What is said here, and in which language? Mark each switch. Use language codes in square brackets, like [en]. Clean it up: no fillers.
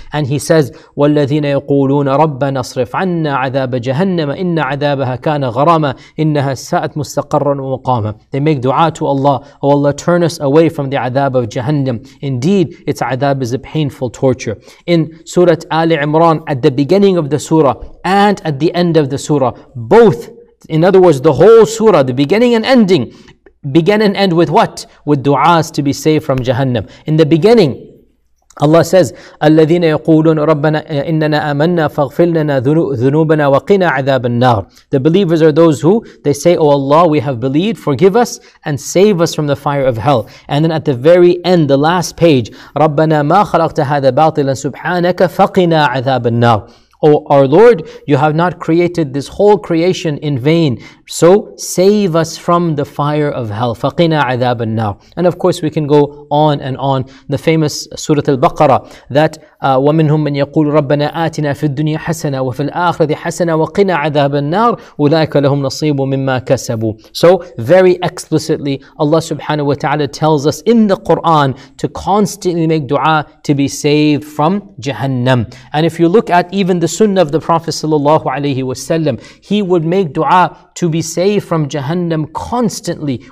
[en] And he says, [ar] وَالَّذِينَ يَقُولُونَ رَبَّنَا اصْرِفْ عَنَّا عَذَابَ جَهَنَّمَ إِنَّ عَذَابَهَا كَانَ غَرَمًا إِنَّهَا سَاءَتْ مُسْتَقَرًّا وَمُقَامًا. [en] They make du'a to Allah, oh Allah, turn us away from the adab of Jahannam. Indeed, its adab is a painful torture. In Surah Ali Imran, at the beginning of the surah and at the end of the surah, both, in other words, the whole surah, the beginning and ending, begin and end with what? With du'as to be saved from Jahannam. In the beginning, Allah says, [ar] الَّذِينَ يَقُولُونَ رَبَّنَا إِنَّنَا آمَنَّا فَغْفِرْ لَنَا ذُنُوبَنَا وَقِنَا عَذَابَ النَّارِ. [en] The believers are those who, they say, oh Allah, we have believed, forgive us and save us from the fire of hell. And then at the very end, the last page, [ar] رَبَّنَا مَا خَلَقْتَ هَذَا بَاطِلًا سُبْحَانَكَ فَقِنَا عَذَابَ النَّارِ. [en] Oh, our Lord, you have not created this whole creation in vain. So save us from the fire of hell. [ar] فَقِنَا عَذَابَ النَّارِ. [en] And of course, we can go on and on. The famous Surah Al-Baqarah, that [ar] وَمِنْهُمْ مَنْ يَقُولُ رَبَّنَا آتِنَا فِي الدُّنْيَا حَسَنَا وَفِي الْآخِرَةِ حَسَنَا وَقِنَا عَذَابَ النَّارِ أُولَٰئِكَ لَهُمْ نَصِيبٌ مِمَّا كَسَبُوا. [en] So very explicitly, Allah subhanahu wa ta'ala tells us in the Quran to constantly make dua to be saved from Jahannam. And if you look at even the sunnah of the Prophet sallallahu alayhi wa sallam, he would make dua to be saved from Jahannam constantly.